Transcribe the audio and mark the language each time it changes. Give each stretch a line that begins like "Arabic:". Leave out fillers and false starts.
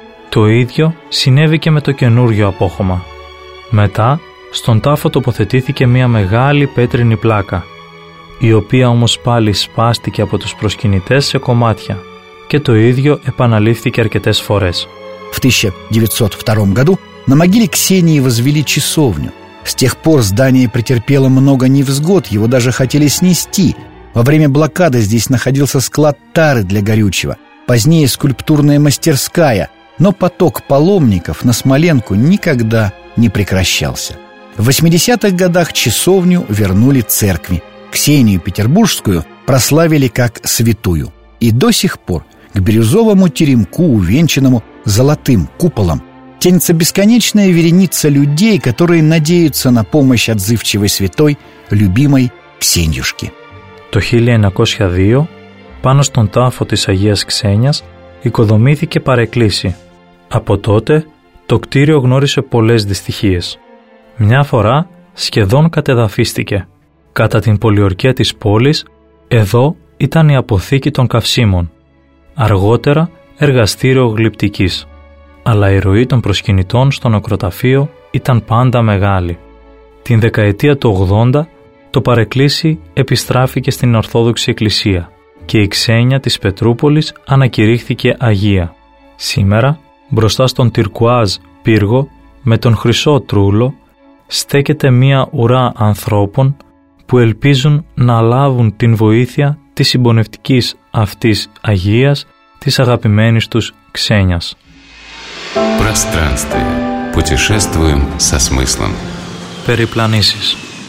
Greek: Το ίδιο συνέβη και με το καινούριο απόχωμα. Μετά, στον τάφο τοποθετήθηκε μια μεγάλη πέτρινη πλάκα, η οποία όμως πάλι σπάστηκε από τους προσκυνητές σε κομμάτια και το ίδιο επαναλήφθηκε αρκετές φορές».
Russian: В 1902 году на могиле Ксении возвели часовню. С тех пор здание претерпело много невзгод, его даже хотели снести. Во время блокады здесь находился склад тары для горючего, позднее скульптурная мастерская, но поток паломников на Смоленку никогда не прекращался. В 80-х годах часовню вернули церкви. Ксению Петербургскую прославили как святую. И до сих пор к бирюзовому теремку, увенчанному золотым куполом, тянется бесконечная вереница людей, которые надеются на помощь отзывчивой святой, любимой Ксеньюшки.
Greek: Το 1902 πάνω στον τάφο της Αγίας Ξένιας οικοδομήθηκε παρεκκλήση. Από τότε το κτίριο γνώρισε πολλές δυστυχίες. Μια φορά σχεδόν κατεδαφίστηκε. Κατά την πολιορκία της πόλης, εδώ ήταν η αποθήκη των καυσίμων. Αργότερα εργαστήριο γλυπτικής. Αλλά η ροή των προσκυνητών στο νεκροταφείο ήταν πάντα μεγάλη. Την δεκαετία του 80 το παρεκκλήσι επιστράφηκε στην Ορθόδοξη Εκκλησία και η Ξένια της Πετρούπολης ανακηρύχθηκε Αγία. Σήμερα, μπροστά στον Τυρκουάζ πύργο με τον χρυσό τρούλο, στέκεται μία ουρά ανθρώπων που ελπίζουν να λάβουν την βοήθεια της συμπονευτικής αυτής Αγίας της αγαπημένης τους Ξένιας.
Russian: Пространстве. Путешествуем со смыслом. Перепланησεις.